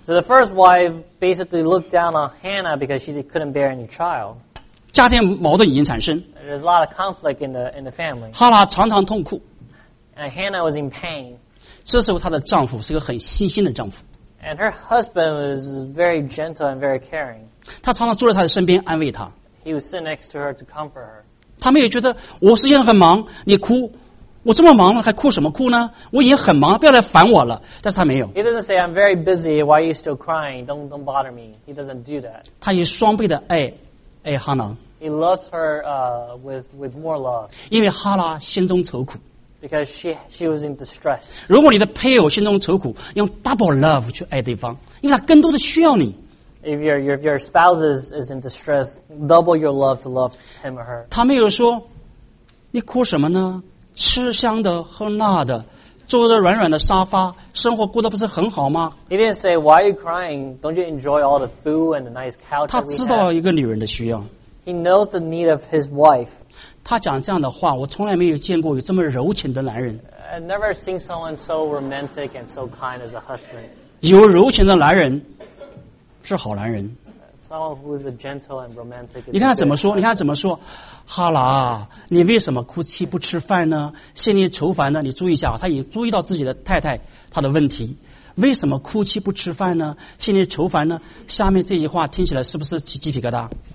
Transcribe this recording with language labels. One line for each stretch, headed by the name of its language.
English: So the first wife basically looked down on Hannah because she couldn't bear any child.
Chinese: 家庭矛盾已经产生。
English: There's a lot of conflict in the family.
Chinese: 哈拉常常痛苦。
English: And Hannah was in pain.
Chinese: 这时候她的丈夫是个很细心的丈夫。
English: And her husband was very gentle and very caring.
Chinese: 他常常坐在她的身边安慰她。
English: He would sit next to her to comfort her.
Chinese: 他们也觉得我时间很忙，你哭，我这么忙了还哭什么哭呢？我已经很忙了，不要来烦我了。但是他没有。
English: He doesn't say I'm very busy. Why are you still crying? Don't bother me. He doesn't do that.
Chinese: 他以双倍的爱 Hannah.
English: He loves her with more love.
Chinese: 因为哈拉心中愁苦。
English: Because she was in distress.
Chinese: 如果你的配偶心中愁苦，用
English: double love
Chinese: 去爱对方，因为他更多的需要你。
English: If your spouse is in distress, double your love to love him or her.
Chinese: 他没有说，你哭什么呢？吃香的喝辣的，坐着软软的沙发，生活过得不是很好吗？
English: He didn't say, why are you crying? Don't you enjoy all the food and the nice couch?
Chinese: 他知道一个女人的需要。
English: He knows the need of his wife.
Chinese: 他讲这样的话，我从来没有见过有这么柔情的男人。
English: I've never seen someone so romantic and so kind as a husband.
Chinese: 有柔情的男人是好男人。
English: Someone who is a gentle and romantic.
Chinese: 你看他怎么说？你看他怎么说？哈拉，你为什么哭泣不吃饭呢？心里愁烦呢？你注意一下，他已经注意到自己的太太他的问题。为什么哭泣不吃饭呢？心里愁烦呢？下面这句话听起来是不是起鸡皮疙瘩？